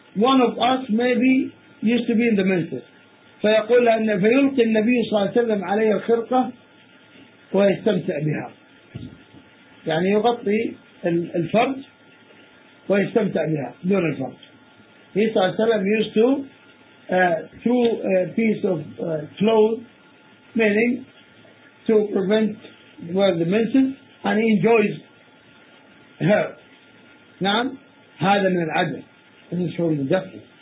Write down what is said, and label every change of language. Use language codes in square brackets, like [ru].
[en] One of us maybe used to be in the menses. [ar] فيقول أن فيلقي النبي صلى الله عليه وسلم عليها الخرقة ويستمتع بها. يعني يغطي الفرج ويستمتع بها دون الفرج. [en] He [ar] صلى الله عليه وسلم [en] used to through a piece of cloth, meaning to prevent where the menses, and he enjoys her. [ar] نعم هذا من العدل. [en] This is from the justice.